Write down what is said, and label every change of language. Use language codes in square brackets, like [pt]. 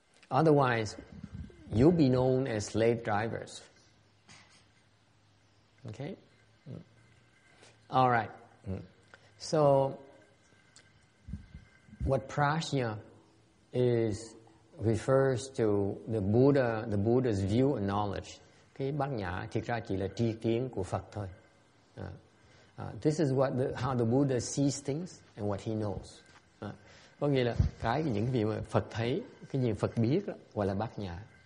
[en] Otherwise, you'll be known as slave drivers. Okay? All right. So, what prajna is refers to the Buddha's view and knowledge. [vi] Cái bát nhã thực ra chỉ là tri kiến của Phật thôi. [en] This is how the Buddha sees things and what he knows. [vi] Có nghĩa là những gì mà Phật thấy, cái gì Phật biết gọi là bát nhã.